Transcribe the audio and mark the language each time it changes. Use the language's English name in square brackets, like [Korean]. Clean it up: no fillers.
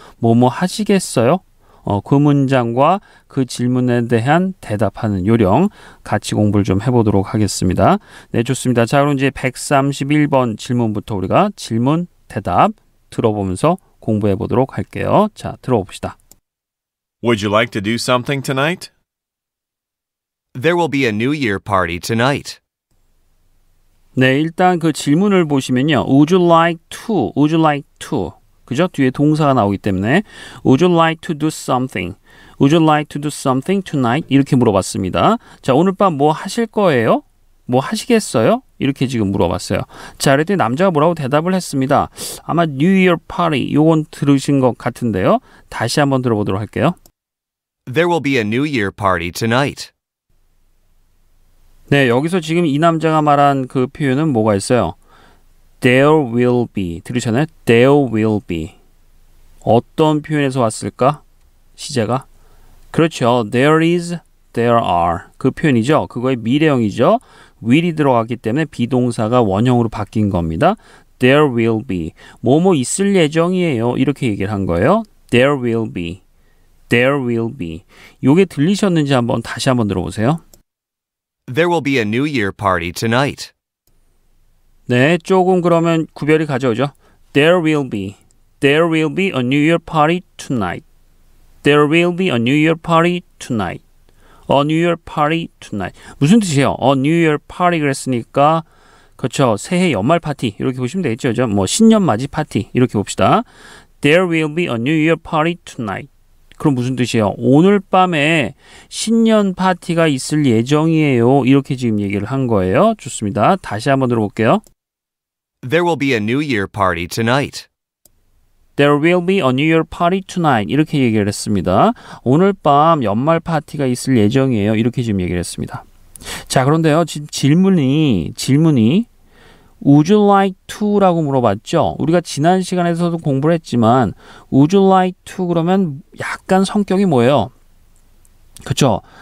[Korean] 뭐뭐 하시겠어요? 그 문장과 그 질문에 대한 대답하는 요령 같이 공부를 좀 해보도록 하겠습니다. 네, 좋습니다. 자, 그럼 이제 131번 질문부터 우리가 질문, 대답 들어보면서 공부해보도록 할게요. 자, 들어봅시다. [English] Would you like to do something tonight? There will be a New Year party tonight. [Korean] 네, 일단 그 질문을 보시면요. [English] Would you like to? Would you like to? 그죠? [Korean] 뒤에 동사가 나오기 때문에 [English] Would you like to do something? Would you like to do something tonight? [Korean] 이렇게 물어봤습니다. 자, 오늘 밤 뭐 하실 거예요? 뭐 하시겠어요? 이렇게 지금 물어봤어요. 자, 그랬더니 남자가 뭐라고 대답을 했습니다. 아마 New Year party 요건 들으신 것 같은데요. 다시 한번 들어보도록 할게요. [English] There will be a New Year party tonight. [Korean] 네, 여기서 지금 이 남자가 말한 그 표현은 뭐가 있어요? [English] There will be. [Korean] 들으셨나요? There will be. 어떤 표현에서 왔을까? 시제가? 그렇죠. [English] There is, there are. [Korean] 그 표현이죠. 그거의 미래형이죠. will이 들어갔기 때문에 비동사가 원형으로 바뀐 겁니다. [English] There will be. [Korean] 뭐뭐 있을 예정이에요. 이렇게 얘기를 한 거예요. [English] There will be. There will be. [Korean] 요게 들리셨는지 한번 다시 한번 들어보세요. [English] There will be a New Year party tonight. [Korean] 네, 조금 그러면 구별이 가져오죠. [English] There will be a New Year party tonight. There will be a New Year party tonight. A New Year party tonight. [Korean] 무슨 뜻이에요? [English] A New Year party [Korean] 그랬으니까 그렇죠. 새해 연말 파티 이렇게 보시면 되겠죠. 그렇죠? 뭐 신년 맞이 파티 이렇게 봅시다. [English] There will be a New Year party tonight. [Korean] 그럼 무슨 뜻이에요? 오늘 밤에 신년 파티가 있을 예정이에요. 이렇게 지금 얘기를 한 거예요. 좋습니다. 다시 한번 들어볼게요. [English] There will be a New Year party tonight. There will be a New Year party tonight. [Korean] 이렇게 얘기를 했습니다. 오늘 밤 연말 파티가 있을 예정이에요. 이렇게 지금 얘기를 했습니다. 자, 그런데요. 지금 질문이 [English] Would you like to? [Korean] 라고 물어봤죠. 우리가 지난 시간에서도 공부를 했지만 [English] Would you like to? [Korean] 그러면 약간 성격이 뭐예요? 그렇죠?